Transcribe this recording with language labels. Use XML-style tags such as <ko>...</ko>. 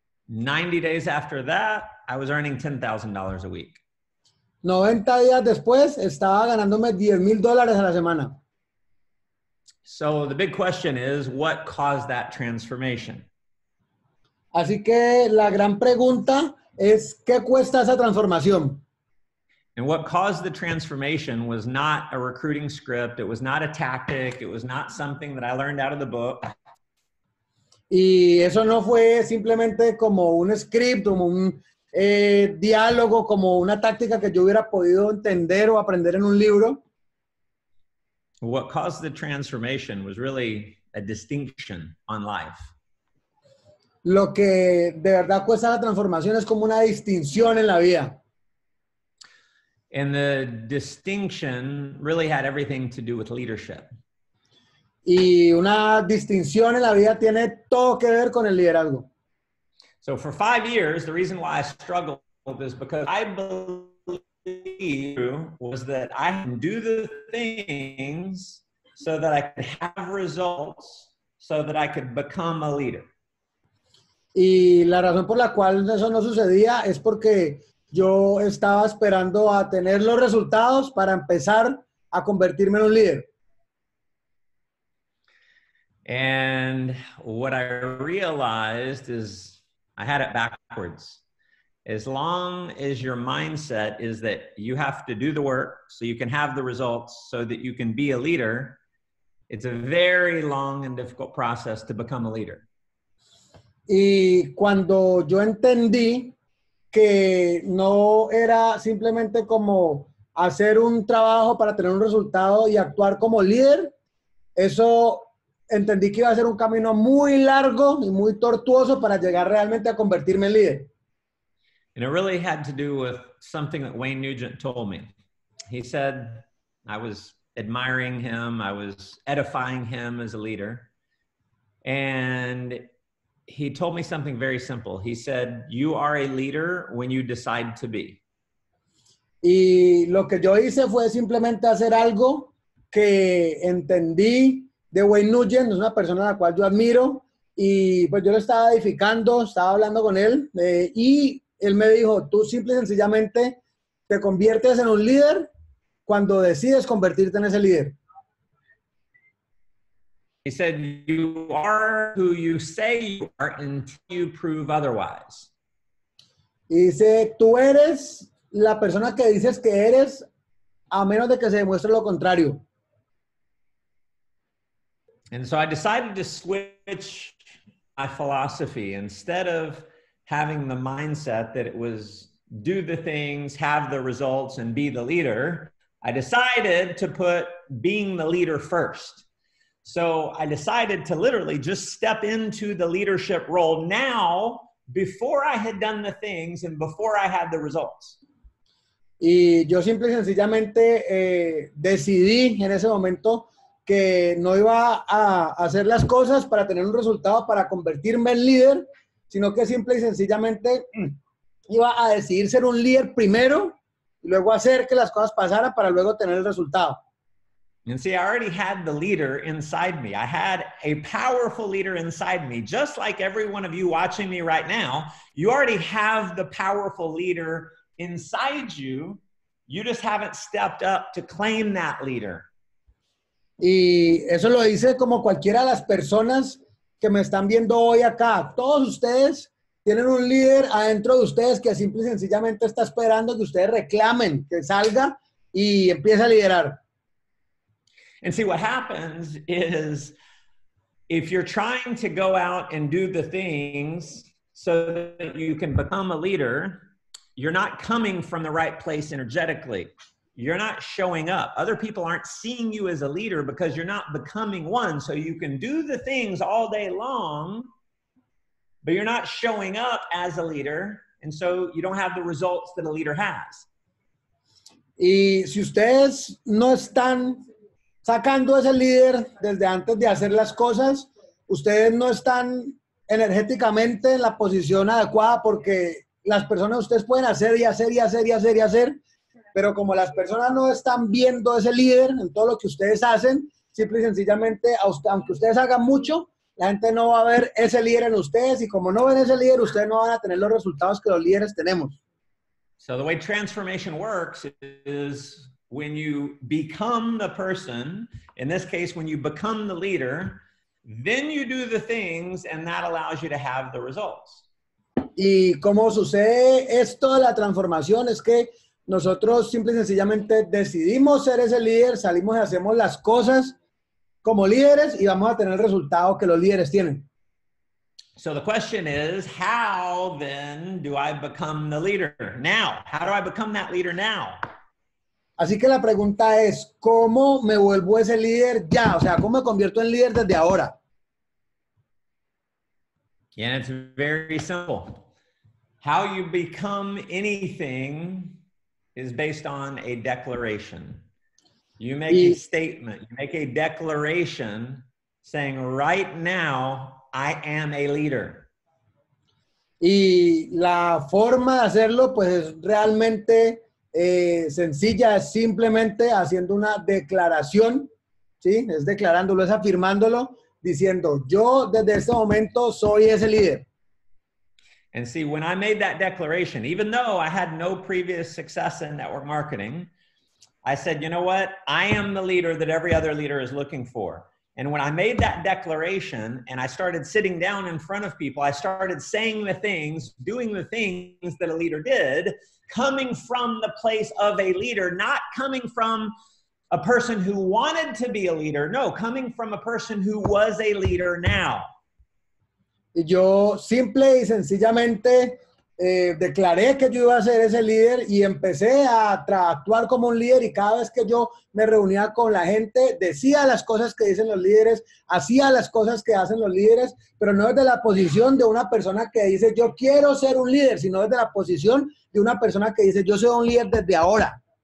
<en>90 days after that, I was earning $10,000 a week.</en> <es>90 días después, estaba ganándome $10,000 a la semana.</es> <en>So the big question is, what caused that transformation?</en> <es>Así que la gran pregunta es, ¿qué cuesta esa transformación?</es> <en>And what caused the transformation was not a recruiting script, it was not a tactic, it was not something that I learned out of the book.</en> <es>Y eso no fue simplemente como un script, como un diálogo, como una táctica que yo hubiera podido entender o aprender en un libro.</es> <en>What caused the transformation was really a distinction on life.</en> <es>Lo que de verdad cuesta la transformación es como una distinción en la vida.</es> <en>And the distinction really had everything to do with leadership.</en> <es>Y una distinción en la vida tiene todo que ver con el liderazgo.</es> <en>So for 5 years, the reason why I struggled is because I believe was that I can do the things so that I could have results, so that I could become a leader.</en> <es>Y la razón por la cual eso no sucedía es porque yo estaba esperando a tener los resultados para empezar a convertirme en un líder.</es> <en>And what I realized is I had it backwards. As long as your mindset is that you have to do the work so you can have the results so that you can be a leader, it's a very long and difficult process to become a leader.</en> <es>Y cuando yo entendí que no era simplemente como hacer un trabajo para tener un resultado y actuar como líder, eso entendí que iba a ser un camino muy largo y muy tortuoso para llegar realmente a convertirme en líder.</es> <en>And it really had to do with something that Wayne Nugent told me. He said, I was admiring him, I was edifying him as a leader, and he told me something very simple. He said, you are a leader when you decide to be.</en> <es>Y lo que yo hice fue simplemente hacer algo que entendí de Wayne Nugent, es una persona a la cual yo admiro, y pues yo lo estaba edificando, estaba hablando con él, y él me dijo, tú simple y sencillamente te conviertes en un líder cuando decides convertirte en ese líder.</es> <en>He said, you are who you say you are until you prove otherwise.</en> <es>Y dice, tú eres la persona que dices que eres a menos de que se demuestre lo contrario.</es> <en>And so I decided to switch my philosophy. Instead of having the mindset that it was do the things, have the results, and be the leader, I decided to put being the leader first. So I decided to literally just step into the leadership role now, before I had done the things and before I had the results.</en> <es>Y yo simple y sencillamente decidí en ese momento que no iba a hacer las cosas para tener un resultado, para convertirme en líder, sino que simple y sencillamente iba a decidir ser un líder primero y luego hacer que las cosas pasaran para luego tener el resultado.</es> <en>And see, I already had the leader inside me. I had a powerful leader inside me. Just like every one of you watching me right now, you already have the powerful leader inside you. You just haven't stepped up to claim that leader.</en> <es>Y eso lo dice como cualquiera de las personas que me están viendo hoy acá. Todos ustedes tienen un líder adentro de ustedes que simple y sencillamente está esperando que ustedes reclamen, que salga y empiece a liderar.</es> <en>And see, what happens is if you're trying to go out and do the things so that you can become a leader, you're not coming from the right place energetically. You're not showing up. Other people aren't seeing you as a leader because you're not becoming one. So you can do the things all day long, but you're not showing up as a leader. And so you don't have the results that a leader has.</en> <es>Y si ustedes no están sacando ese líder desde antes de hacer las cosas, ustedes no están energéticamente en la posición adecuada, porque las personas, ustedes pueden hacer y hacer y hacer y hacer y hacer, pero como las personas no están viendo ese líder en todo lo que ustedes hacen, simple y sencillamente, aunque ustedes hagan mucho, la gente no va a ver ese líder en ustedes, y como no ven ese líder, ustedes no van a tener los resultados que los líderes tenemos.</es> <en>So the way transformation works is when you become the person, in this case, when you become the leader, then you do the things and that allows you to have the results.</en> <es>Y cómo sucede esto de la transformación es que nosotros simple y sencillamente decidimos ser ese líder, salimos y hacemos las cosas como líderes y vamos a tener el resultado que los líderes tienen.</es> <en>So the question is, how then do I become the leader now? How do I become that leader now?</en> <es>Así que la pregunta es, ¿cómo me vuelvo ese líder ya? O sea, ¿cómo me convierto en líder desde ahora?</es> <en>And it's very simple. How you become anything is based on a declaration. You make a statement, you make a declaration saying, right now, I am a leader.</en> <es>Y la forma de hacerlo, pues, es realmente sencilla, es simplemente haciendo una declaración, ¿sí? Es declarándolo, es afirmándolo, diciendo, yo desde este momento soy ese líder.</es> <en>And see, when I made that declaration, even though I had no previous success in network marketing, I said, you know what? I am the leader that every other leader is looking for. And when I made that declaration and I started sitting down in front of people, I started saying the things, doing the things that a leader did, coming from the place of a leader, not coming from a person who wanted to be a leader. No, coming from a person who was a leader now.</en> <es>Yo simple y sencillamente declaré que yo iba a ser ese líder y empecé a actuar como un líder, y cada vez que yo me reunía con la gente, decía las cosas que dicen los líderes, hacía las cosas que hacen los líderes, pero no desde la posición de una persona que dice yo quiero ser un líder, sino desde la posición de una persona que dice yo soy un líder desde ahora.</es>